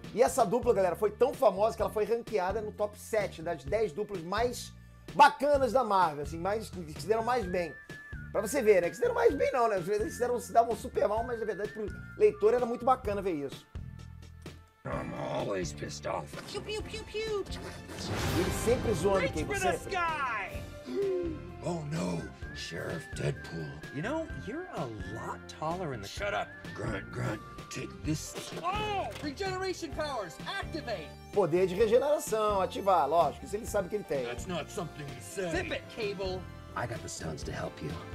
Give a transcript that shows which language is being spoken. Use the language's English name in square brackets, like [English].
[Portuguese] E essa dupla, galera, foi tão famosa que ela foi ranqueada no top 7 das 10 duplas mais bacanas da Marvel, assim, mais, que se deram mais bem. Pra você ver, né? Que se deram mais bem, não, né? Às vezes eles se davam super mal, mas na verdade pro leitor era muito bacana ver isso. [English] I'm always pissed off. Piu, piu, piu, piu. [Portuguese] Ele sempre zoando quem você. [English] Oh, no, Sheriff Deadpool. You know, you're a lot taller in the. Shut up! Grunt, grunt, take this. Oh! Regeneration powers, activate! [Portuguese] Poder de regeneração, ativar, lógico, isso ele sabe que ele tem. [English] That's not something to say. Zip it, Cable! I got the stones to help you.